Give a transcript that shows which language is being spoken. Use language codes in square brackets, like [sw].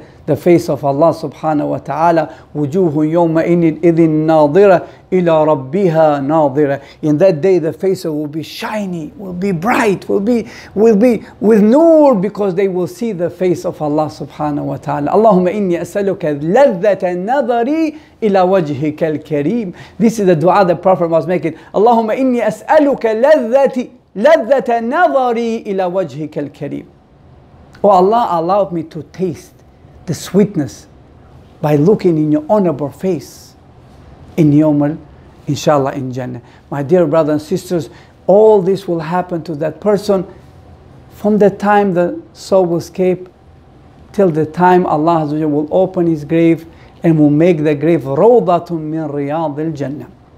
[en] the face of Allah [ar] subhanahu wa ta'ala. وُجُوهٌ يَوْمَ إِذٍ نَاظِرَةٌ إِلَىٰ رَبِّهَا نَاظِرَةٌ. [en] In that day the faces will be shiny, will be bright, will be with nur, because they will see the face of Allah subhanahu wa ta'ala. [ar] اللهم إني أسألك لذة نظري إلى وجهك الكريم. [en] This is the dua the Prophet was making. [ar] اللهم إني أسألك لذة نظري إلى وجهك الكريم. [en] Oh Allah, allow me to taste the sweetness by looking in your honorable face in Yawm al, inshallah, in Jannah. My dear brothers and sisters, all this will happen to that person from the time the soul will escape till the time Allah will open his grave and will make the grave rawdatun min riyad al Jannah.